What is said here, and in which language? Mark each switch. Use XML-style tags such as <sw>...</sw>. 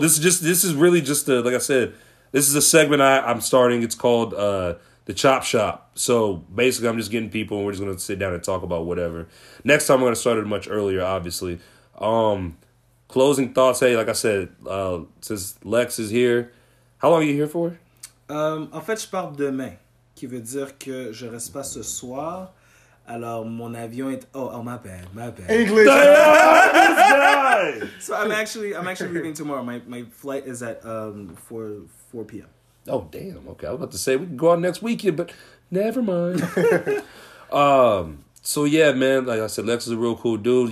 <en>This is really just like I said, this is a segment I'm starting. It's called... The Chop Shop. So basically, I'm just getting people, and we're just gonna sit down and talk about whatever. Next time, I'm gonna start it much earlier, obviously. Closing thoughts. Hey, like I said, since Lex is here, how long are you here for?</en> <fr>En fait, je pars demain, qui veut dire que je reste pas ce soir. Alors mon avion est.</fr> <en>Oh, my bad. English. So I'm actually leaving tomorrow. My flight is at 4 p.m. Oh, damn. Okay, I was about to say we can go out next weekend, but never mind. So, yeah, man, like I said, Lex is a real cool dude.</en>